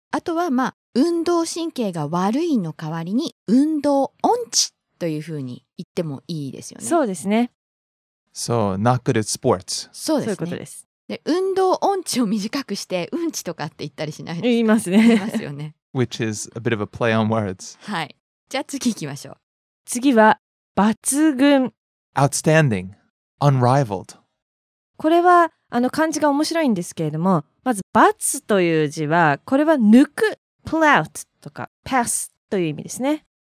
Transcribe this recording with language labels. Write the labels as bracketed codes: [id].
[ja] あとは、まあ、運動神経が悪いの代わりに運動音痴というふうに言ってもいいですよね。そうですね。 [en] So not good at sports。 [ja] そうですね。そういうことです。で、運動音痴を短くしてうんちとかって言ったりしないですか。言いますね。言いますよね。 [en] Which is a bit of a play on words. [ja] はい。じゃあ次行きましょう。次は、抜群。 [en] Outstanding. Unrivaled. [ja] これは、漢字が面白いんですけれども、まず、抜という字は、これは抜く。 Pull out とか、pass という意味ですね。